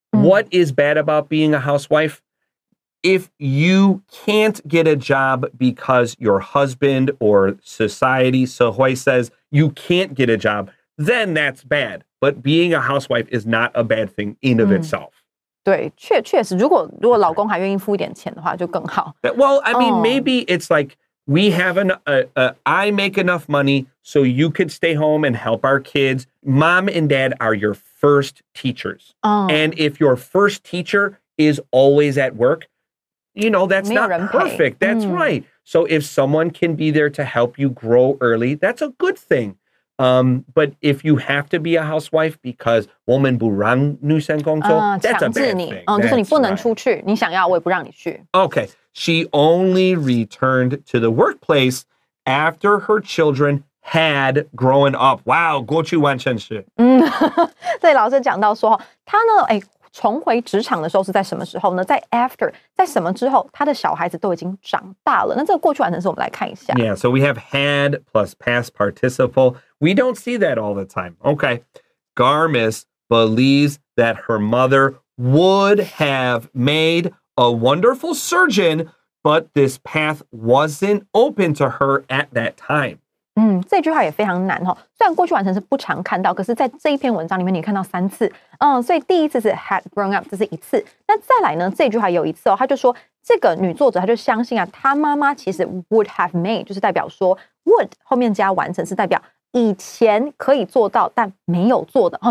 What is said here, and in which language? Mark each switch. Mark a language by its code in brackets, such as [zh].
[en] What is bad about being a housewife? If you can't get a job because your husband or society, Sohoi says, you can't get a job, then that's bad. But being a housewife is not a bad thing in of itself. [zh] 对，确实，如果老公还愿意付一点钱的话，就更好。 [en] Well, I mean, maybe it's like, we have I make enough money so you could stay home and help our kids. Mom and dad are your friends. First teachers. And if your first teacher is always at work, you know, that's not perfect. That's right. So if someone can be there to help you grow early, that's a good thing. But if you have to be a housewife because [zh] 我们不让女生工作, [en] that's a bad thing. [zh] 就是你不能出去,你想要我也不让你去。 [en] Okay. She only returned to the workplace after her children had grown up. [zh] Wow, 过去完成式。对，老师讲到说，他呢，哎，重回职场的时候是在什么时候呢？在 after， 在什么之后，他的小孩子都已经长大了。那这个过去完成式，我们来看一下。 [en] Yeah, so we have had plus past participle. We don't see that all the time. Okay, Garmus believes that her mother would have made a wonderful surgeon, but this path wasn't open to her at that time. [zh] 这句话也非常难哦。虽然过去完成是不常看到，可是在这一篇文章里面你看到三次。所以第一次是 had grown up， 这是一次。那再来呢，这句话有一次哦，他就说这个女作者她就相信啊，她妈妈其实 would have made， 就是代表说 would 后面加完成是代表以前可以做到但没有做的。